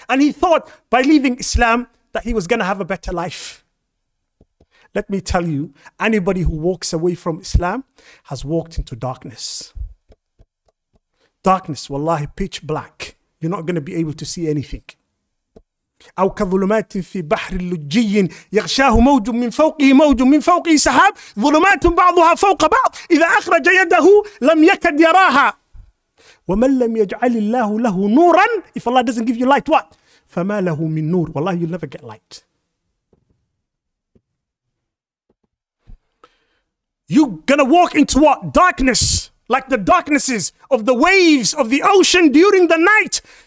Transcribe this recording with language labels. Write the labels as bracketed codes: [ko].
[en] And he thought by leaving Islam that he was going to have a better life. Let me tell you, anybody who walks away from Islam has walked into darkness. Darkness, wallahi, pitch black. You're not going to be able to see anything. [ar] أو كظلمات في بحر اللجي يغشاه موج من فوقه موج من فوقه سحاب ظلمات بعضها فوق بعض إذا أخرج يده لم يكد يراها ومن لم يجعل الله له نورا. [en] If Allah doesn't give you light, what? [ar] فما له من نور. [en] والله, you'll never get light. You're gonna walk into what? Darkness, like the darknesses of the waves of the ocean during the night.